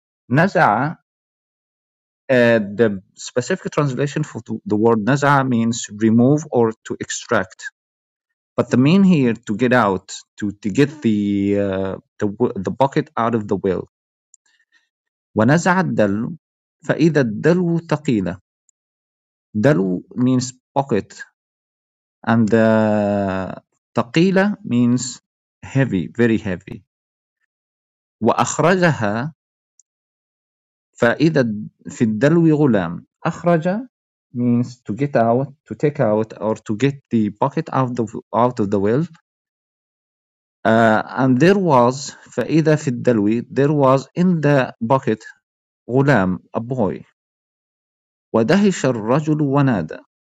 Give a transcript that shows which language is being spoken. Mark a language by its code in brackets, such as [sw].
[en] نزع the specific translation for the word نزعه means remove or to extract, but the mean here to get out, to get the bucket out of the well. [ar] ونزع الدلو فإذا الدلو ثقيلة. [en] دلو means bucket, and ثقيلة means heavy, very heavy. [ar] وأخرجها فإذا في الدلو غلام. [en] أخرج means to get out, to take out, or to get the bucket out of the well. And there was, [ar] فإذا في الدلو, [en] there was in the bucket غلام, a boy. [ar] ودهش الرجل ونادى.